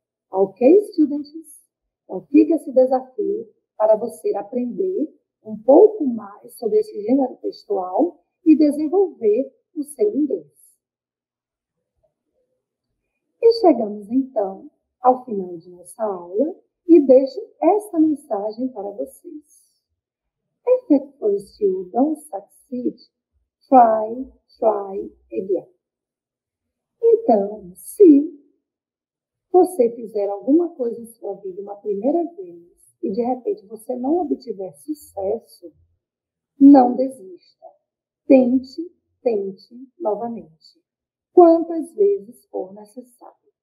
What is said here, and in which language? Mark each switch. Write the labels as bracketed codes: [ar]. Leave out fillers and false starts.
[en] Ok, students? [pt] Então fica esse desafio para você aprender um pouco mais sobre esse gênero textual e desenvolver o seu inglês. E chegamos, então, ao final de nossa aula e deixo essa mensagem para vocês. [en] If at first you don't succeed, try, try again. [pt] Então, se você fizer alguma coisa em sua vida uma primeira vez e de repente você não obtiver sucesso, não desista. Tente, tente novamente. Quantas vezes for necessário.